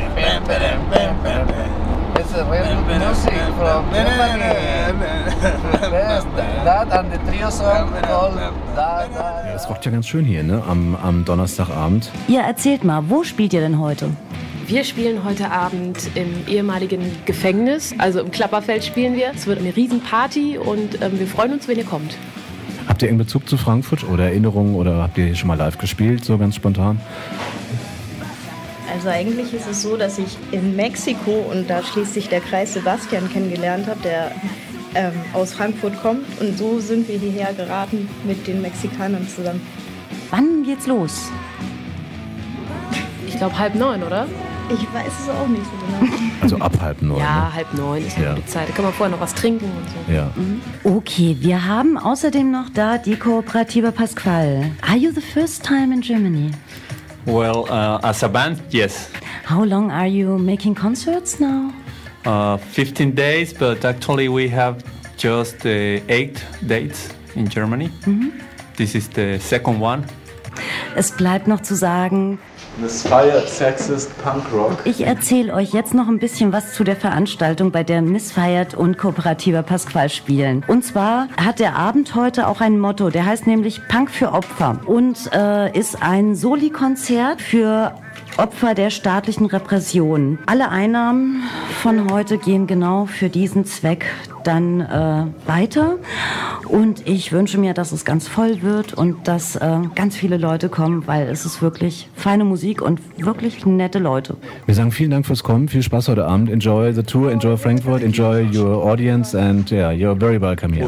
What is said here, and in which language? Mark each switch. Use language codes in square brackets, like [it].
[en] It's a real music from Germany. That and the trio song called Da Da. [de] Es rockt ja ganz schön hier, ne? Am Donnerstagabend. Ja, erzählt mal, wo spielt ihr denn heute? Wir spielen heute Abend im ehemaligen Gefängnis, also im Klapperfeld spielen wir. Es wird eine Riesenparty und wir freuen uns, wenn ihr kommt. Habt ihr irgendeinen Bezug zu Frankfurt oder Erinnerungen oder habt ihr hier schon mal live gespielt, so ganz spontan? Also eigentlich ist es so, dass ich in Mexiko und da schließt sich der Kreis Sebastian kennengelernt habe, der aus Frankfurt kommt. Und so sind wir hierher geraten mit den Mexikanern zusammen. Wann geht's los? Ich glaube 8:30, oder? Ich weiß es auch nicht so genau. Also ab 8:30. Ja, 8:30 ist ja die Zeit. Da kann man vorher noch was trinken und so. Ja. Mhm. Okay, wir haben außerdem noch da die Kooperative Pasquale. [en] Are you the first time in Germany? Well, as a band, yes. How long are you making concerts now? 15 days, but actually we have just 8 dates in Germany. Mhm. This is the second one. [de] Es bleibt noch zu sagen, Misfired Sexist Punk Rock. Ich erzähle euch jetzt noch ein bisschen was zu der Veranstaltung, bei der Misfired und Kooperativa Pasquale spielen. Und zwar hat der Abend heute auch ein Motto, der heißt nämlich Punk für Opfer und ist ein Soli-Konzert für Opfer der staatlichen Repression. Alle Einnahmen von heute gehen genau für diesen Zweck dann weiter. Und ich wünsche mir, dass es ganz voll wird und dass ganz viele Leute kommen, weil es ist wirklich feine Musik und wirklich nette Leute. Wir sagen vielen Dank fürs Kommen. Viel Spaß heute Abend. [en] Enjoy the tour, enjoy Frankfurt, enjoy your audience and yeah, you're very welcome here.